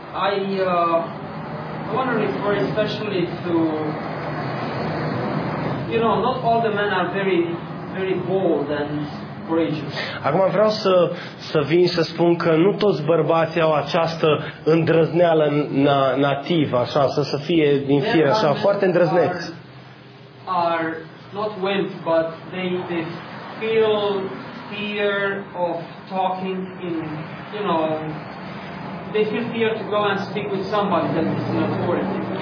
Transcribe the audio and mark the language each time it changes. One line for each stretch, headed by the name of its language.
English: I want to refer especially to, you know, not all the men are very very bold and courageous.
Romanian: Acum vreau să vin să spun că nu toți bărbații au această îndrăzneală nativă, așa, să fie din fire așa, foarte îndrăzneți.
English: Are not wimp, but they feel fear of talking in, you know, they feel fear to go and speak with somebody that is an authority.